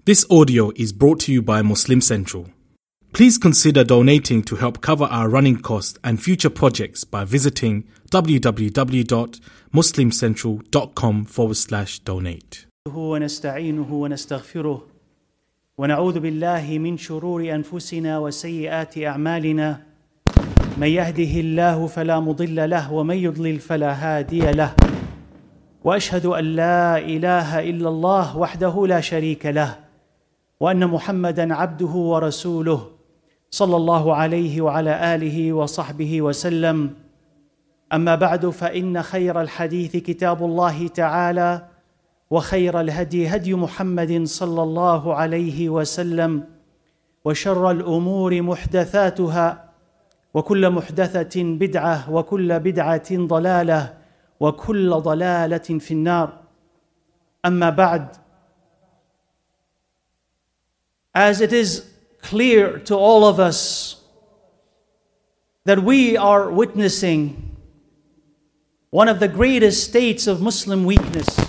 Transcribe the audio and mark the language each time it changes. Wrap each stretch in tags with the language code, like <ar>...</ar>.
<en>This audio is brought to you by Muslim Central. Please consider donating to help cover our running costs and future projects by visiting www.muslimcentral.com/donate.</en> <ar>ونستعينه ونستغفره ونعوذ بالله من شرور أنفسنا وسيئات أعمالنا من يهده الله فلا مضل له ومن يضلل فلا هادي له وأشهد أن لا إله إلا الله وحده لا شريك له وأن محمدًا عبده ورسوله صلى الله عليه وعلى آله وصحبه وسلم. أما بعد، فإن خير الحديث كتاب الله تعالى وخير الهدي هدي محمد صلى الله عليه وسلم، وشر الأمور محدثاتها، وكل محدثة بدعة، وكل بدعة ضلالة، وكل ضلالة في النار.</ar> <en>أما بعد، as it is clear to all of us that we are witnessing one of the greatest states of Muslim weakness.</en>